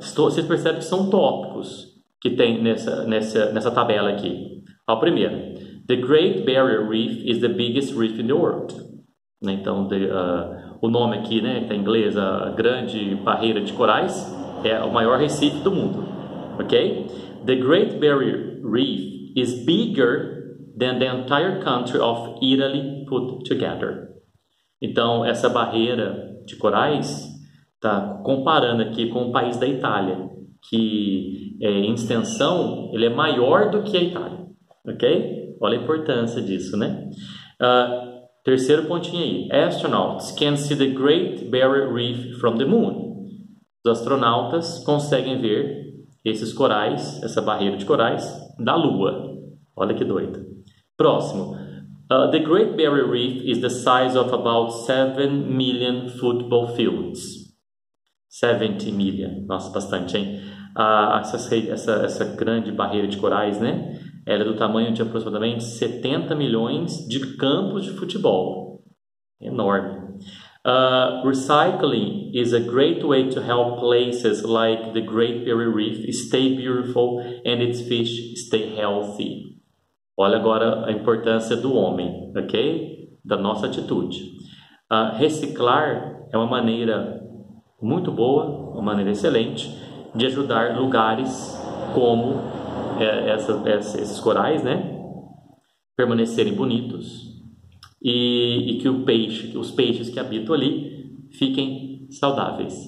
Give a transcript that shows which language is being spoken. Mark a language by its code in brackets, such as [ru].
[pt] Vocês percebem que são tópicos que tem nessa tabela aqui. Ó, o primeiro: [en] The Great Barrier Reef is the biggest reef in the world. [pt] Né? Então, o nome aqui, né, tá em inglês, a Grande Barreira de Corais, é o maior recife do mundo. Ok? [en] The Great Barrier Reef is bigger than the entire country of Italy put together. [pt] Então, essa barreira de corais está comparando aqui com o país da Itália, que em extensão ele é maior do que a Itália. Ok? Olha a importância disso, né? Terceiro pontinho aí. [en] Astronauts can see the Great Barrier Reef from the Moon. [pt] Os astronautas conseguem ver esses corais, essa barreira de corais, da Lua. Olha que doido. Próximo. [en] The Great Barrier Reef is the size of about 7 million football fields. 70 million. [pt] Nossa, bastante, hein? Essa grande barreira de corais, né? Ela é do tamanho de aproximadamente 70 milhões de campos de futebol. Enorme. [en] Recycling is a great way to help places like the Great Barrier Reef stay beautiful and its fish stay healthy. [pt] Olha agora a importância do homem, ok? Da nossa atitude. Reciclar é uma maneira muito boa, uma maneira excelente de ajudar lugares como esses corais, né? Permanecerem bonitos. E que os peixes que habitam ali fiquem saudáveis.